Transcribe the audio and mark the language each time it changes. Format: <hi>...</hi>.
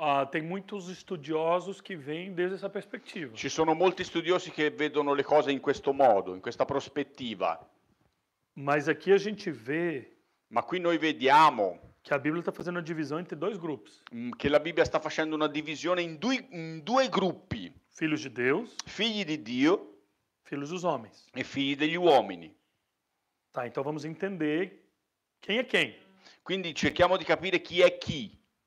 <pt>Tem muitos estudiosos que veem desde essa perspectiva.</pt> <it>Ci sono molti studiosi che vedono le cose in questo modo, in questa prospettiva.</it> <pt>Mas aqui a gente vê.</pt> <it>Ma qui noi vediamo.</it> <pt>Que a Bíblia está fazendo uma divisão entre dois grupos.</pt> <it>Que la Bibbia sta facendo una divisione in due gruppi.</it> <pt>Filhos de Deus.</pt> <it>Figli di Dio.</it> <pt>Filhos dos homens.</pt> <it>E figli degli uomini.</it> <pt>Tá, então vamos entender quem é quem.</pt> <it>Quindi cerchiamo di capire chi è chi.</it>